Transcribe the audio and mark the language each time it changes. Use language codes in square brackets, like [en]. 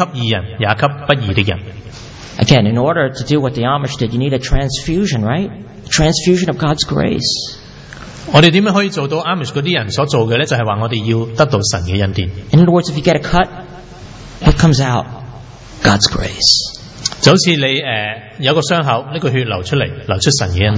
[zh] 马太福音第五章第四十五节到四十五节，他说：你们听见有话说，当爱你的邻舍，恨你的仇敌。只是我告诉你们，要爱你们的仇敌，那为逼迫你们的祷告，这样就可以做你们天父的儿子，因为他叫日头照好人也照歹人，降雨给义人，也给不义的人。 [en] Again, in order to do what the Amish did, you need a transfusion, right? A transfusion of God's grace. [zh] 我们怎么可以做到Amish那些人所做的呢？就是说我们要得到神的恩典。 [en] In other words, if you get a cut, what comes out? God's grace. [zh] 就好像你有个伤口，这个血流出来，流出神的恩典。